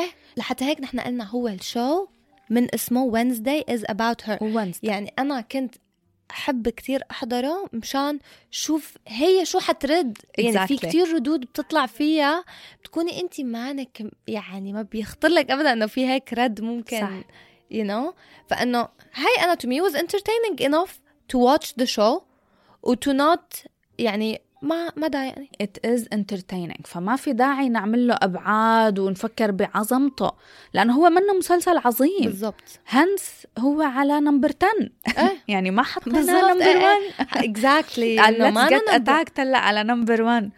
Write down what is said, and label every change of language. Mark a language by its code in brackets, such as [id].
[ar] إيه لحتى هيك نحن قلنا هو الشو من اسمه [en] Wednesday is about her Wednesday. [ar] يعني أنا كنت أحب كتير أحضره مشان شوف هي شو حترد يعني [en] exactly. [ar] في كتير ردود بتطلع فيها بتكوني أنتي مانك يعني ما بيخطر لك أبدا أنه في هيك رد ممكن صح. [en] You know [ar] فأنه هاي أنا [en] to me was entertaining enough to watch the show و to not [ar] يعني ما ضايقني [en] it is entertaining [ar] فما في داعي نعمل له أبعاد ونفكر بعظمته لأنه هو منه مسلسل عظيم بالضبط هنس هو على نمبر 10 يعني ما حطناه نمبر 1 [en] exactly let's get attacked [ar] هلا على نمبر 1